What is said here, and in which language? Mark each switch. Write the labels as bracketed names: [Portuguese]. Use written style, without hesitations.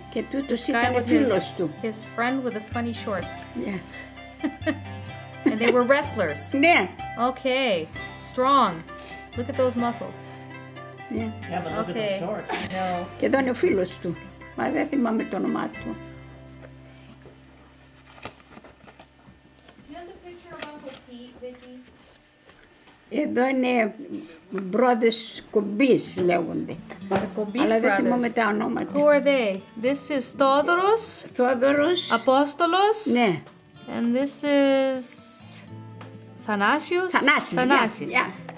[Greek] και τούτος ήταν φίλος του. [English] His friend with the funny shorts. Yeah. And they were wrestlers. Yeah. Okay. Strong. Look at those muscles. Yeah. Yeah, but look at those shorts. No. [Greek] Και ήταν ο φίλος του. Μα δεν θυμάμαι το όνομά του. [English] Do you have the picture of Uncle Pete, Vicky? [Greek] Εδώ είναι brothers Κομπής λέγονται. Αλλά δεν θυμάμαι τα ονόματα. [English] Who are they? This is Θόδωρος. [Greek] Θόδωρος. Απόστολος. Ναι. [English] And this is Thanasios? Thanasios. Yeah.